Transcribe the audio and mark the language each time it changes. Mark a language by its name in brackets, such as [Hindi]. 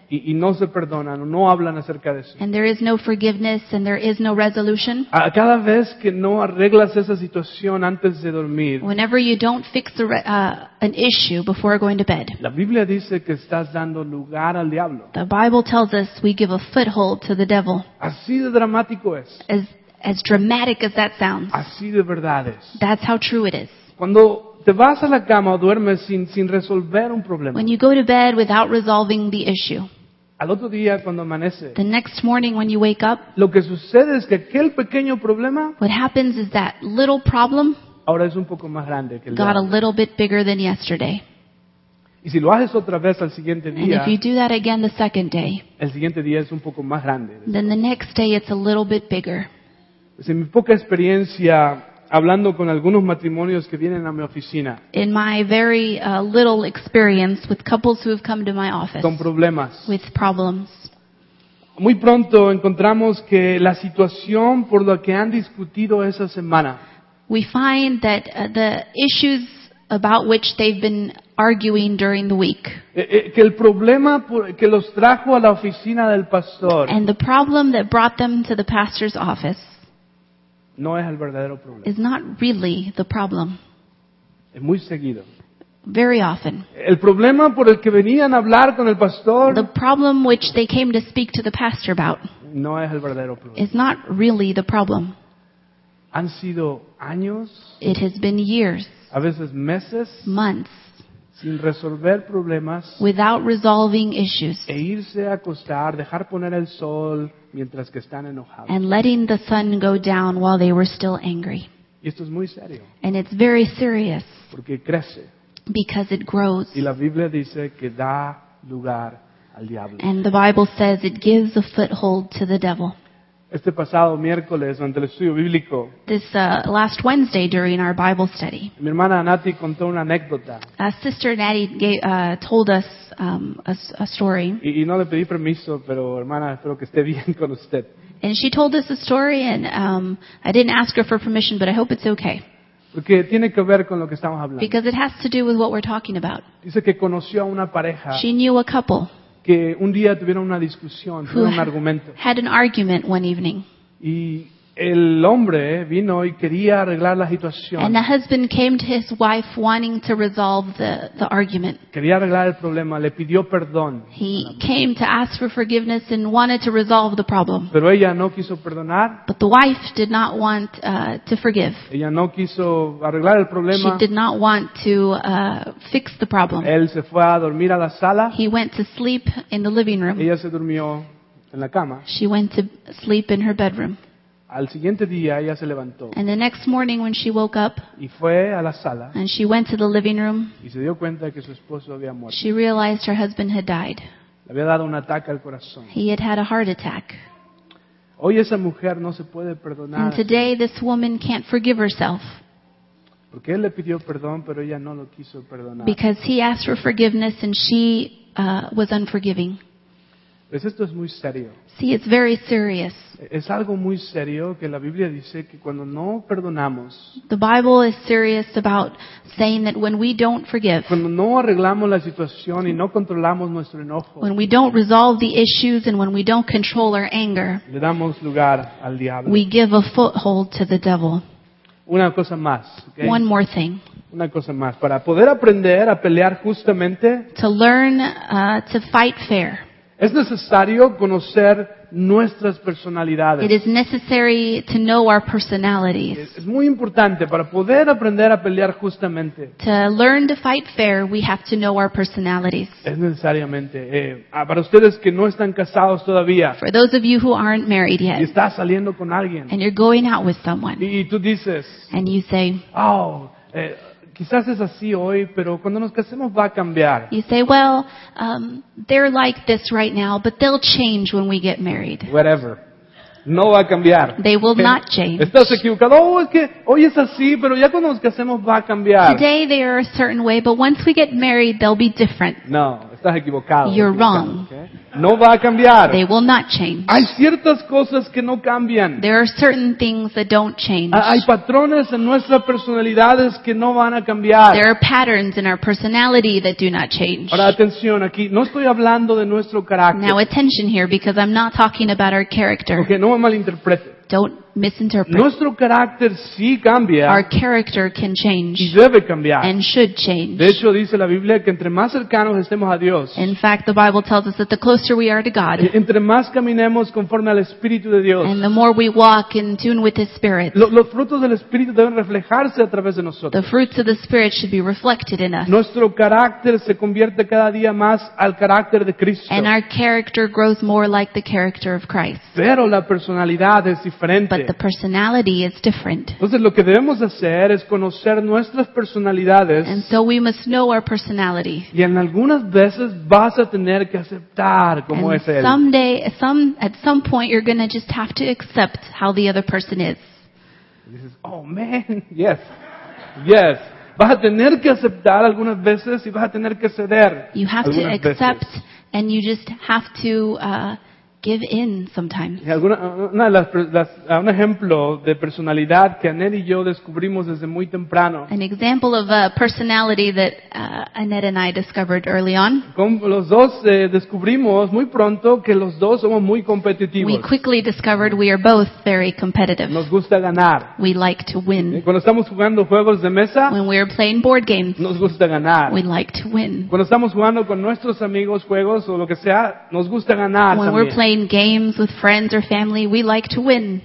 [Spanish] y no se perdonan, no hablan acerca de eso, [English] and there is no forgiveness and there is no resolution, [Spanish] a cada vez que no arreglas esa situación antes de dormir, [English] whenever you don't fix an issue before going to bed, [Spanish] la Biblia dice que estás dando lugar al diablo. [English] The Bible tells us we give a foothold to the devil. [Spanish] Así de dramático es. [English] As dramatic as that sounds. [Spanish] Así de verdad es. [English] That's how true it is. [Spanish] Cuando te vas a la cama o duermes sin resolver un problema, [English] when you go to bed without resolving the issue, [Spanish] al otro día cuando amanece, [English] the next morning when you wake up, [Spanish] lo que sucede es que aquel pequeño problema, [English] what happens is that little problem, [Spanish] ahora es un poco más grande que el [English] got a little bit bigger than yesterday. [Spanish] Y si lo haces otra vez al siguiente día, [English] and if you do that again the second day, [Spanish] el siguiente día es un poco más grande, [English] then the next day it's a little bit bigger. [Spanish] Pues en mi poca experiencia hablando con algunos matrimonios que vienen a mi oficina, [English] in my very little experience with couples who have come to my office, [Spanish] con problemas, [English] with problems, [Spanish] muy pronto encontramos que la situación por la que han discutido esa semana, [English] we find that the issues about which they've been arguing during the week, [Spanish] que el problema que los trajo a la oficina del pastor, [English] and the problem that brought them to the pastor's office, [Spanish] no es el verdadero problema. [English] It's not really the problem. [Spanish] Es muy seguido. [English] Very often. [Spanish] El problema por el que venían a hablar con el pastor, [English] the problem which they came to speak to the pastor about, [Spanish] no es el verdadero problema. [English] It's not really the problem. [Spanish] Han sido años. [English] It has been years. [Spanish] A veces meses. [English] Months. [Spanish] Sin resolver problemas. [English] Without resolving issues. [Spanish] E irse a acostar, dejar poner el sol mientras que están enojados. [English] And letting the sun go down while they were still angry. [Spanish] Y esto es muy serio. [English] And it's very serious. [Spanish] Porque crece. [English] Because it grows. [Spanish] Y la Biblia dice que da lugar al diablo. [English] And the Bible says it gives a foothold to the devil. [Spanish] Este pasado miércoles durante el estudio bíblico, [English] this last Wednesday during our Bible study, [Spanish] mi hermana Nati contó una anécdota. [English] Sister Nati told us a story. [Spanish] Y no le pedí permiso, pero hermana, espero que esté bien con usted. [English] And she told us a story, and I didn't ask her for permission, but I hope it's okay. [Spanish] Porque tiene que ver con lo que estamos hablando. [English] Because it has to do with what we're talking about. [Spanish] Dice que conoció a una pareja. [English] She knew a couple. [Spanish] Que un día tuvieron una discusión, tuvieron un argumento. [English] Had an argument one evening. [Spanish] Y el hombre vino y quería arreglar la situación. [English] And the husband came to his wife wanting to resolve the argument. [Spanish] Quería arreglar el problema, le pidió perdón. [English] He came to ask for forgiveness and wanted to resolve the problem. [Spanish] Pero ella no quiso perdonar. [English] But the wife did not want to forgive. [Spanish] Ella no quiso arreglar el problema. [English] She did not want to fix the problem. [Spanish] Él se fue a dormir a la sala. [English] He went to sleep in the living room. [Spanish] Ella se durmió en la cama. [English] She went to sleep in her bedroom. [Spanish] Al siguiente día ella se levantó. [English] And the next morning when she woke up, [Spanish] y fue a la sala, [English] and she went to the living room, [Spanish] y se dio cuenta que su esposo había muerto. [English] She realized her husband had died. [Spanish] Le había dado un ataque al corazón. [English] He had had a heart attack. [Spanish] Hoy esa mujer no se puede perdonar. [English] And today this woman can't forgive herself. [Spanish] Porque él le pidió perdón, pero ella no lo quiso perdonar. [English] Because he asked for forgiveness and she was unforgiving. [Spanish] Pues esto es muy serio. [English] See, it's very serious. [Spanish] Es algo muy serio que la Biblia dice que cuando no perdonamos. [English] The Bible is serious about saying that when we don't forgive. [Spanish] Cuando no arreglamos la situación y no controlamos nuestro enojo. [English] When we don't resolve the issues and when we don't control our anger. [Spanish] Le damos lugar al diablo. [English] We give a foothold to the devil. [Spanish] Una cosa más, okay? [English] One more thing. [Spanish] Una cosa más para poder aprender a pelear justamente. [English] To learn to fight fair. [Spanish] Es necesario conocer nuestras personalidades. [English] It is necessary to know our personalities. [Spanish] Es muy importante para poder aprender a pelear justamente. [English] To learn to fight fair, we have to know our personalities. [Spanish] Es necesariamente. Para ustedes que no están casados todavía. [English] For those of you who aren't married yet. [Spanish] Y estás saliendo con alguien. [English] And you're going out with someone. [Spanish] Y tú dices. [English] And you say. [Spanish] Oh, quizás es así hoy, pero cuando nos casemos va a cambiar. [English] You say, well, they're like this right now, but they'll change when we get married. Whatever. [Spanish] No va a cambiar. [English] They will not change. [Spanish] Estás equivocado. Oh, es que hoy es así, pero ya cuando nos casemos va a cambiar. [English] Today they are a certain way, but once we get married, they'll be different. [Spanish] No, estás equivocado. [English] You're wrong. [Spanish] Okay? No va a cambiar. [English] They will not change. [Spanish] Hay ciertas cosas que no cambian. [English] There are certain things that don't change. [Spanish] Hay patrones en nuestras personalidades que no van a cambiar. [English] There are patterns in our personality that do not change. [Spanish] Ahora, atención aquí. No estoy hablando de nuestro carácter. [English] Now, attention here, because I'm not talking about our character. [Spanish] Okay, no me malinterprete. [English] Don't misinterpret. [Spanish] Nuestro carácter sí cambia. [English] Our character can change. [Spanish] Y debe cambiar. [English] And should change. [Spanish] De hecho, dice la Biblia que entre más cercanos estemos a Dios. [English] In fact, the Bible tells us that the closer we are to God. [Spanish] Entre más caminemos conforme al Espíritu de Dios. [English] And the more we walk in tune with His Spirit. [Spanish] Los frutos del Espíritu deben reflejarse a través de nosotros. [English] The fruits of the Spirit should be reflected in us. [Spanish] Nuestro carácter se convierte cada día más al carácter de Cristo. [English] And our character grows more like the character of Christ. [Spanish] Pero la personalidad es diferente. [English] But the personality is different. [Spanish] Entonces, lo que debemos hacer es conocer nuestras personalidades. [English] And so we must know our personality. [Spanish] Y en algunas veces vas a tener que aceptar cómo es él. [English] Someday, at some point, you're going to just have to accept how the other person is. And he says, oh man, yes, yes. [Spanish] Vas a tener que aceptar algunas veces y vas a tener que ceder. [English] You have to accept and you just have to give in sometimes. [Spanish] Un ejemplo de personalidad que Annette y yo descubrimos desde muy temprano. [English] An example of a personality that Annette and I discovered early on. [Spanish] Los dos descubrimos muy pronto que los dos somos muy competitivos. [English] We quickly discovered we are both very competitive. [Spanish] Nos gusta ganar. [English] We like to win. [Spanish] Cuando estamos jugando juegos de mesa. [English] When we are playing board games. [Spanish] Nos gusta ganar. [English] We like to win. [Spanish] Cuando estamos jugando con nuestros amigos juegos o lo que sea, nos gusta ganar también. [English] Playing games with friends or family, we like to win.